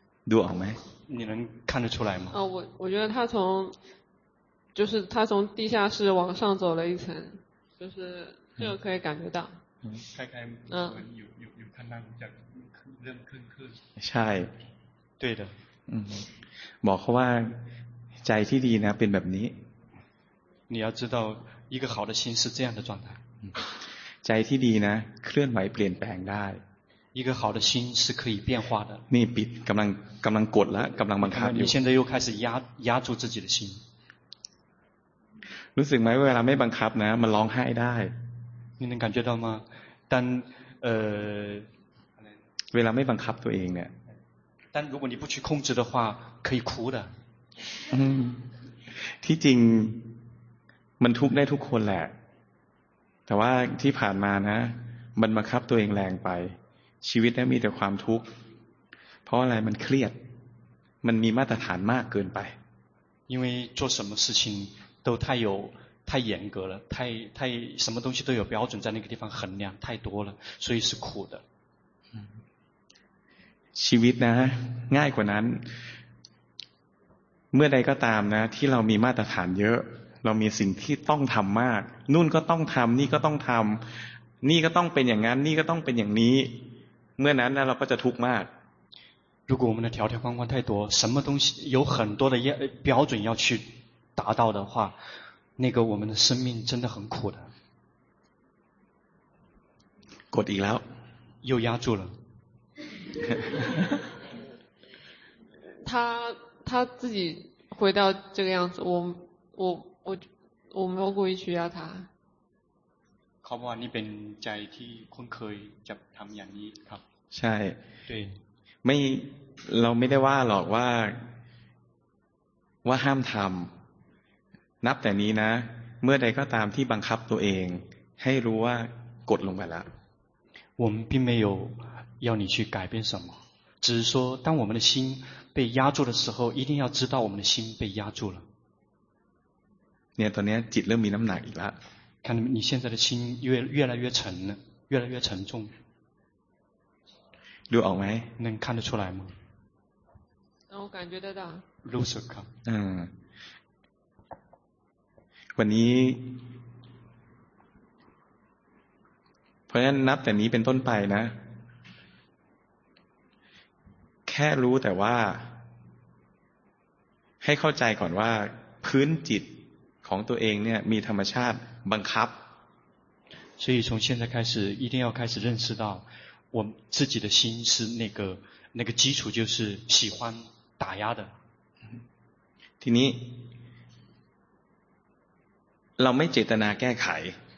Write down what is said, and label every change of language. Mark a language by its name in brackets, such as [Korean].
[Thai] ดูออกไหม [Chinese] 你能看得出来吗？啊，我觉得他从，就是他从地下室往上走了一层，就是这个可以感觉到。嗯，开开，嗯，有看到比较认坑坑。 [Thai] ใช่， [Chinese] 对的。 [Thai] 嗯，บอกเขาว่าใจที่ดีนะเป็นแบบนี้。 [Chinese] 你要知道，一个好的心是这样的状态。 [Thai] ใจที่ดีนะเคลื่อนไหวเปลี่ยนแปลงได้ [Chinese] 一个好的心是可以变化的。你闭，刚刚过了，刚刚门开。你现在又开始压住自己的心。 [Thai] รู้สึกไหมเวลาไม่บังคับนะมันร้องไห้ได้ [Chinese] 你能感觉到吗？但 [Thai] เวลาไม่บังคับตัวเองเนี่ย [Chinese] 但如果你不去控制的话，可以哭的。 [Thai] ที่จริงมันทุกข์ได้ทุกคนแหละแต่ว่าที่ผ่านมานะมันบังคับตัวเองแรงไปชีวิตนั้นมีแต่ความทุกข์เพราะอะไรมันเครียดมันมีมาตรฐานมากเกินไป [Chinese] 因为做什么事情都太严格了太什么东西都有标准在那个地方衡量太多了所以是苦的 [Thai] ชีวิตนะง่ายกว่านั้นเมื่อใดก็ตามนะที่เรามีมาตรฐานเยอะเรามีสิ่งที่ต้องทำมากนู่นก็ต้องทำนี่ก็ต้องทำนี่ก็ต้องเป็นอย่างนั้นนี่ก็ต้องเป็นอย่างนี้เมื่อนั้นเราก็จะทุกข์มาก [Chinese] 如果我们的条条框框太多什么东西有很多的标准要去达到的话那个我们的生命真的很苦的 [Thai] กดอีกแล้ว [Chinese] 又压住了他自己回到这个样子我没有故意去压他 [Thai] เขาบอกว่านี่เป็นใจที่คุ้นเคยจะทำอย่างนี้ครับ ใช่ไม่เราไม่ได้ว่าหรอกว่าห้ามทำนับแต่นี้นะเมื่อใดก็ตามที่บังคับตัวเองให้รู้ว่ากดลงไปแล้ [Chinese] ว我们并没有要你去改变什么只是说当我们的心被压住的时候一定要知道我们的心被压住了 [Thai] เนี่ยตอนนี้จิตเริ่มมีน้ำหนักอีกละ [Chinese] 看你现在的心越来越沉了越来越沉重 [Thai] ดูออกไหม [Chinese] 能看得出来吗我感觉得到 [Thai] รู้สึกครับ วันนี้เพราะฉะนั้นนับแต่นี้เป็นต้นไปนะแค่รู้แต่ว่าให้เข้าใจก่อนว่าพื้นจิตของตัวเองเนี่ยมีธรรมชาติบังคับ [Chinese] 所以从现在开始一定要开始认识到我自己的心是那个基础，就是喜欢打压的。 [Thai] ทีนี้เราไม่เจตนาแก้ไข